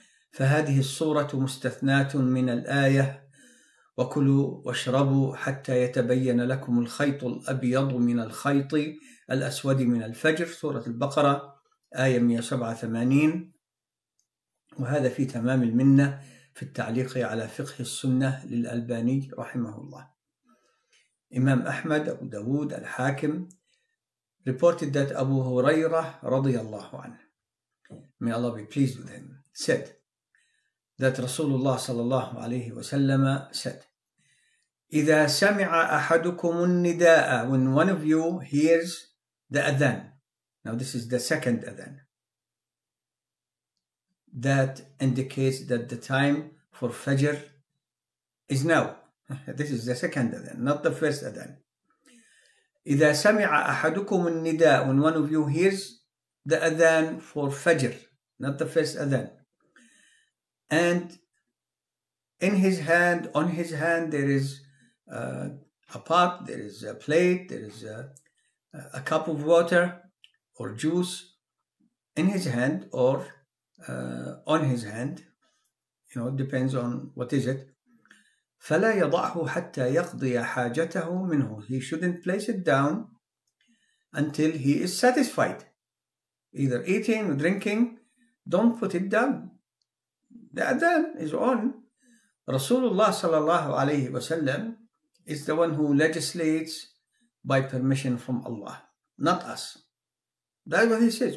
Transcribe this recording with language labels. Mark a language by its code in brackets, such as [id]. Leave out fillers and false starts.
[ar] فهذه الصورة مستثناة من الآية: وكلوا واشربوا حتى يتبين لكم الخيط الأبيض من الخيط الأسود من الفجر، سورة البقرة آية 187. وهذا في تمام المنة، في التعليق على فقه السنة للألباني رحمه الله. [en] إمام أحمد، أبو داود، الحاكم reported that أبو هريرة [ar] رضي الله عنه، [en] may Allah be pleased with him, said that رسول الله [ar] صلى الله عليه وسلم [en] said [ar] إذا سمع أحدكم النداء, [en] when one of you hears the adhan, now this is the second adhan, that indicates that the time for Fajr is now. This is the second adhan, not the first adhan. [ar] إذا سمع أحدكم النداء, [en] when one of you hears the adhan for Fajr, not the first adhan, and in his hand, on his hand, there is a pot, there is a plate, there is a cup of water or juice in his hand or on his hand, you know, it depends on what is it. [ar] فلا يضعه حتى يقضي حاجته منه. [en] He shouldn't place it down until he is satisfied. Either eating or drinking, don't put it down. The adhan is on. رسول الله [ar] صلى الله عليه وسلم [en] is the one who legislates by permission from Allah, not us. That's what he says.